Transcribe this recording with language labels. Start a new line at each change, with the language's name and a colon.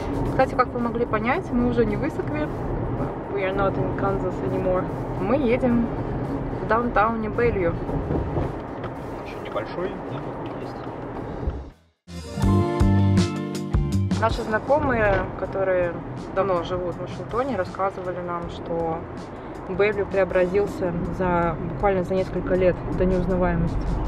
Russian: Кстати, как вы могли понять, мы уже не в Иссаквии.
English: We are not in Kansas anymore.
Russian: Мы едем в даунтауне Бельвью. Еще небольшой, но тут есть. Наши знакомые, которые давно живут в Вашингтоне, рассказывали нам, что Бельвью преобразился буквально за несколько лет до неузнаваемости.